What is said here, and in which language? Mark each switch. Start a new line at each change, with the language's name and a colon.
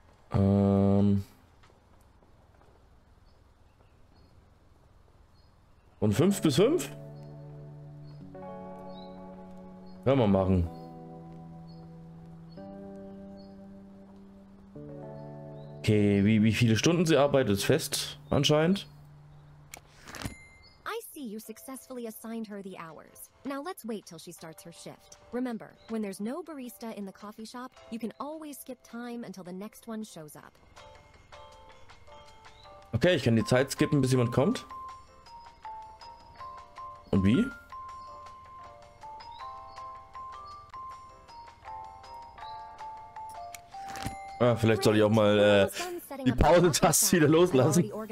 German: Und 5 bis 5? Können wir machen. Okay, wie viele Stunden sie arbeitet, ist fest anscheinend.
English: You successfully assigned her the hours. Now let's wait till she starts her shift. Remember, when there's no barista in the coffee shop, you can always skip time until the next one shows up.
German: Okay, ich kann die Zeit skippen, bis jemand kommt. Und wie? Ah, vielleicht soll ich auch mal die Pause-Taste wieder loslassen.